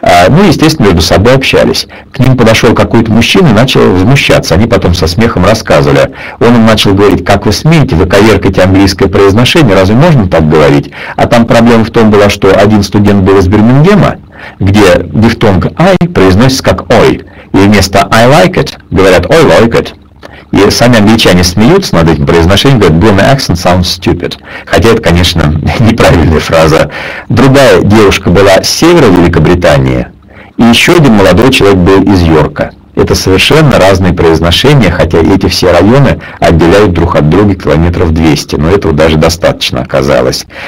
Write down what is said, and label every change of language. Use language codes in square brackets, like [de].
[ru] Ну, естественно, между собой общались. К ним подошел какой-то мужчина и начал возмущаться. Они потом со смехом рассказывали. Он им начал говорить, как вы смеете, вы коверкаете английское произношение, разве можно так говорить? А там проблема в том была, что один студент был из Бирмингема, где дифтонг «I» произносится как «ой». И вместо [en] «I like it» [ru] говорят [en] «I like it». [ru] И сами англичане смеются над этим произношением, говорят, [en] «Bloomer accent sounds stupid». [ru] Хотя это, конечно, неправильная фраза. Другая девушка была с севера Великобритании, и еще один молодой человек был из Йорка. Это совершенно разные произношения, хотя эти все районы отделяют друг от друга километров 200, но этого даже достаточно оказалось.